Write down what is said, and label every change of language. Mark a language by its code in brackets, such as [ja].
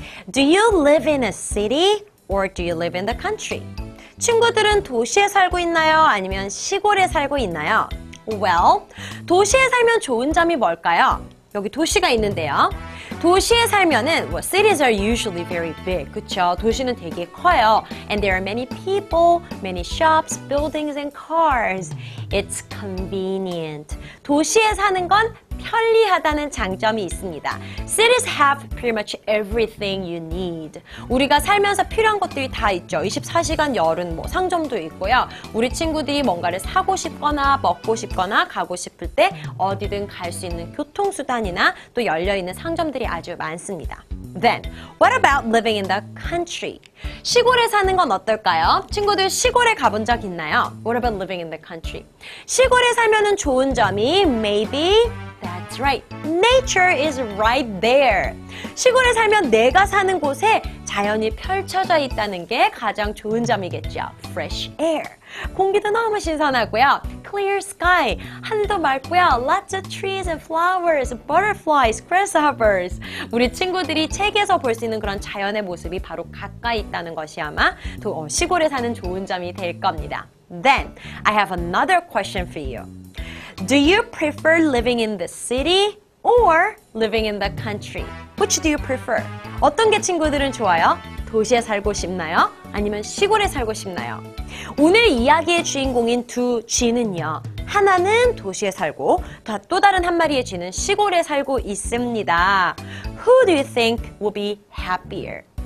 [en] Do you live in a city or do you live in the country? [ko] 친구들은 도시에 살고 있나요? 아니면 시골에 살고 있나요? Well, 도시에 살면 좋은 점이 뭘까요? 여기 도시가 있는데요. 도시에 살면은 [en] well, cities are usually very big. [ko] 그렇죠? 도시는 되게 커요. [en] And there are many people, many shops, buildings and cars. It's convenient. [ko] 도시에 사는 건 편리하다는 장점이 있습니다. [en] Cities have pretty much everything you need. [ko] 우리가 살면서 필요한 것들이 다 있죠. 24시간 열은 뭐 상점도 있고요. 우리 친구들이 뭔가를 사고 싶거나 먹고 싶거나 가고 싶을 때 어디든 갈 수 있는 교통수단이나 또 열려있는 상점들이 아주 많습니다. [en] Then, what about living in the country? [ko] 시골에 사는 건 어떨까요? 친구들 시골에 가본 적 있나요? [en] What about living in the country? [ko] 시골에 살면은 좋은 점이 [en] maybe That's right. Nature is right there. [ko] 시골에 살면 내가 사는 곳에 자연이 펼쳐져 있다는 게 가장 좋은 점이겠죠. [en] Fresh air. [ko] 공기도 너무 신선하고요. [en] Clear sky. [ko] 하늘도 맑고요. [en] Lots of trees and flowers, butterflies, grasshoppers. [ko] 우리 친구들이 책에서 볼 수 있는 그런 자연의 모습이 바로 가까이 있다는 것이 아마 또 시골에 사는 좋은 점이 될 겁니다. [en] Then, I have another question for you. Do you prefer living in the city or living in the country? Which do you prefer? [ko] 어떤 게 친구들은 좋아요? 도시에 살고 싶나요? 아니면 시골에 살고 싶나요? 오늘 이야기의 주인공인 두 쥐는요. 하나는 도시에 살고 또 다른 한 마리의 쥐는 시골에 살고 있습니다. [en] Who do you think will be happier?